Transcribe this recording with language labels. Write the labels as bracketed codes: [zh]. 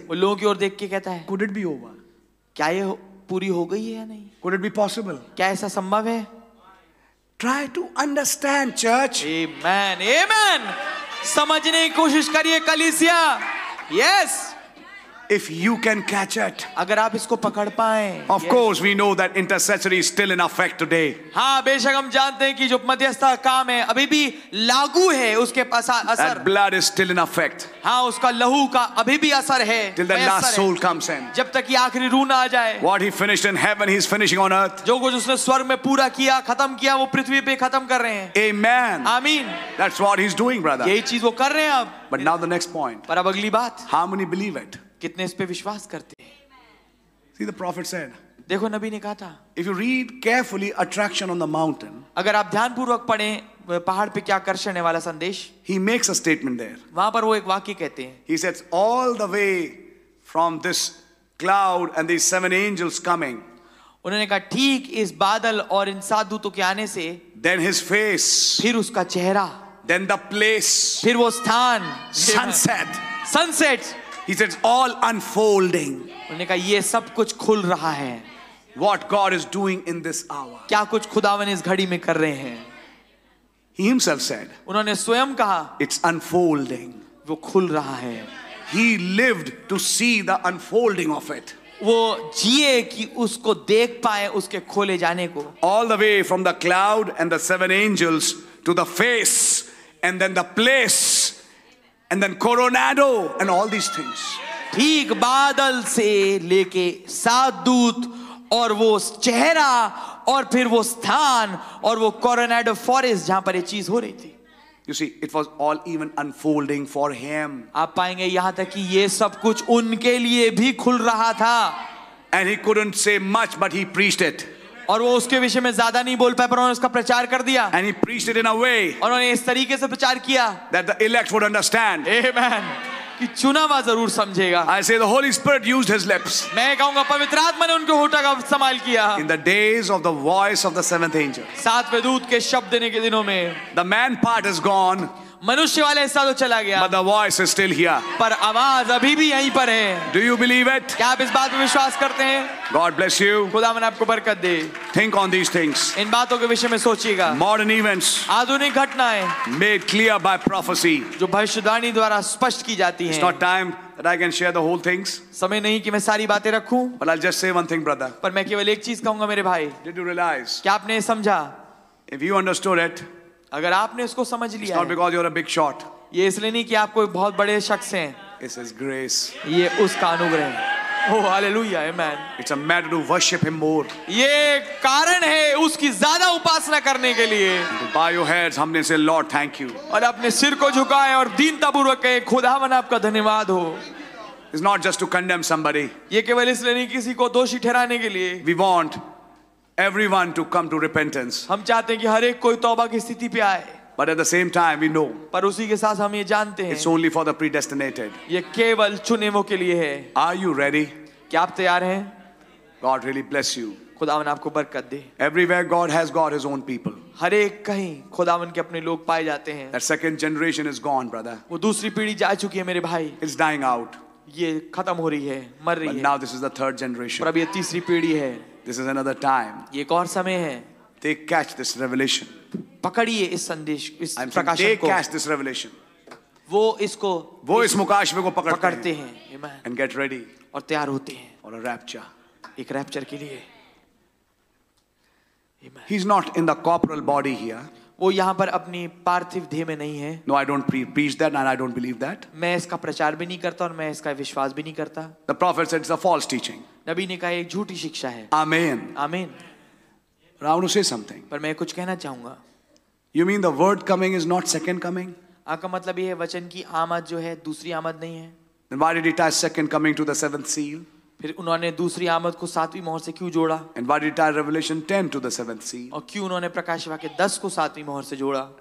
[hi] वो लोगों की ओर देख के कहता है. [en] Could it be over? [hi] क्या ये पूरी हो गई है या नहीं? [en] Could it be possible? [hi] क्या ऐसा संभव है? [en] Try to understand, church. Amen. Amen. [hi] समझने की कोशिश करिए कलीसिया. [en] Yes. If you can catch it. [hi] अगर आप इसको पकड़ पाएं. [en] Of course, we know that intercessory is still in effect today. [hi] हाँ, बेशक हम जानते हैं कि जो मध्यस्थता काम है, अभी भी लागू है उसके पास असर. [en] That blood is still in effect. [hi] हाँ, उसका लहू का अभी भी असर है. [en] Till the last soul comes in. [hi] जब तक कि आखिरी रूह ना आ जाए. [en] What he finished in heaven, he is finishing on earth. [hi] जो कुछ उसने स्वर्ग में पूरा किया, खत्म किया, वो पृथ्वी पे खत्म कर रहे हैं. [en] Amen. Amen. That's what he's doing, brother. [hi] यही चीज वो कर रहे हैं अब. [en] But now the next point. [hi] पर अब अगली बात. [en] How many believe it? [hi] कितने इस पे विश्वास करते हैं? [en] See the prophet said. [hi] देखो नबी ने कहा था. [en] If you read carefully attraction on the mountain. [hi] अगर आप ध्यान पूर्वक पढ़े पहाड़ पे क्या आकर्षण है वाला संदेश. [en] He makes a statement there. [hi] वहाँ पर वो एक वाक्य कहते हैं. [en] He says all the way from this cloud and these seven angels coming. [hi] उन्होंने कहा ठीक इस बादल और इन सात दूतों के आने से. [en] Then his face. [hi] फिर उसका चेहरा. [en] Then the place. [hi] फिर वो स्थान. [en] Sunset. Sunset. He said, "All unfolding." [hi] उन्होंने कहा ये सब कुछ खुल रहा है. [en] What God is doing in this hour? [hi] क्या कुछ खुदावन इस घड़ी में कर रहे हैं? [en] He himself said. [hi] उन्होंने स्वयं कहा. [en] It's unfolding. [hi] वो खुल रहा है. [en] He lived to see the unfolding of it. [hi] वो जिए कि उसको देख पाए उसके खोले जाने को. [en] All the way from the cloud and the seven angels to the face and then the place. And then Coronado and all these things. [hi] ठीक बादल से लेके सात दूत और वो चेहरा और फिर वो स्थान और वो Coronado Forest जहाँ पर ये चीज़ हो रही थी. [en] You see, it was all even unfolding for him. [hi] आप पाएंगे यहाँ तक कि ये सब कुछ उनके लिए भी खुल रहा था. [en] And he couldn't say much, but he preached it. [hi] और वो उसके विषय में ज्यादा नहीं बोल पाए पर उन्होंने उसका प्रचार कर दिया. [en] And he preached it in a way. [hi] और उन्होंने इस तरीके से प्रचार किया. [en] That the elect would understand. [hi] Amen. कि चुना हुआ जरूर समझेगा. [en] I say the Holy Spirit used his lips. [hi] मैं कहूंगा पवित्र आत्मा ने उनके होठों का इस्तेमाल किया. [en] In the days of the voice of the seventh angel. [hi] सातवें दूत के शब्द देने के दिनों में. [en] The man part is gone. [hi] मनुष्य वाला हिस्सा तो चला गया. [en] But the voice is still here. [hi] पर आवाज अभी भी यहीं पर है. [en] Do you believe it? [hi] क्या आप इस बात पर विश्वास करते हैं? [en] God bless you. [hi] खुदा मन आपको बरकत दे. [en] Think on these things. [hi] इन बातों के विषय में सोचिएगा. [en] Modern events. [hi] आधुनिक घटनाएं. [en] Made clear by prophecy. [hi] जो भविष्यवाणी द्वारा स्पष्ट की जाती [en] हैं. It's not time that I can share the whole things. [hi] समय नहीं कि मैं सारी बातें रखूं. [en] But I'll just say one thing, brother. [hi] पर मैं केवल एक चीज कहूंगा मेरे भाई. [en] Did you realize? [hi] क्या आपने समझा? [en] If you understood it. [hi] अगर आपने उसको समझ लिया. [en] It's not because you're a big shot. [hi] ये इसलिए नहीं कि आप कोई बहुत बड़े शख्स हैं. [en] It's his grace. [hi] ये उसका अनुग्रह है. Oh, hallelujah, amen. [en] It's a matter to worship him more. [hi] ये कारण है उसकी ज्यादा उपासना करने के लिए. [en] Bow your heads, हमने से lord thank you. [hi] और अपने सिर को झुकाएं और दीनतापूर्वक कहें खुदावन आपका धन्यवाद हो. [en] It's not just to condemn somebody. [hi] ये केवल इसलिए नहीं किसी को दोषी ठहराने के लिए. [en] We want everyone to come to repentance. [hi] हम चाहते हैं कि हर एक कोई तौबा की स्थिति पे आए. [en] But at the same time, we know. [hi] पर उसी के साथ हम ये जानते हैं. [en] It's only for the predestinated. [hi] ये केवल चुने हुओं के लिए है. [en] Are you ready? [hi] क्या आप तैयार हैं? [en] God really bless you. [hi] खुदावन आपको बरकत दे. [en] Everywhere God has got His own people. [hi] हर एक कहीं खुदावन के अपने लोग पाए जाते हैं. [en] That second generation is gone, brother. [hi] वो दूसरी पीढ़ी जा चुकी है मेरे भाई. [en] It's dying out. [hi] ये खत्म हो रही है, मर रही है. [en] But now this is the third generation. [hi] पर अब ये तीसरी पीढ़ी है. [en] This is another time. [hi] ये एक और समय है. [en] They catch this revelation. [hi] पकड़िए इस संदेश, इस प्रकाशन को. [en] They catch this revelation. [hi] वो इसको, वो इस मुकाशवे को पकड़ते हैं. [en] And get ready. [hi] और तैयार होते हैं. [en] For a rapture. [hi] एक रैप्चर के लिए. [en] Amen. He's not in the corporal body here. [hi] वो यहाँ पर अपनी पार्थिव देह में नहीं है. [en] No, I don't preach that and I don't believe that. [hi] मैं इसका प्रचार भी नहीं करता और मैं इसका विश्वास भी नहीं करता. [en] The prophet said it's a false teaching. [hi] नबी ने कहा एक झूठी शिक्षा है. [en] Amen. Amen. But I want to say something. [hi] पर मैं कुछ कहना चाहूंगा. [en] You mean the word coming is not second coming? [hi] आपका मतलब ये है वचन की आमद जो है दूसरी आमद नहीं है? [en] Then why did he tie second coming to the seventh seal? [hi] फिर उन्होंने दूसरी आमद को सातवीं मोहर से क्यों जोड़ा? [en] And why did he tie Revelation 10 to the seventh seal? [hi] और क्यों उन्होंने प्रकाशवाक्य 10 को सातवीं मोहर से जोड़ा?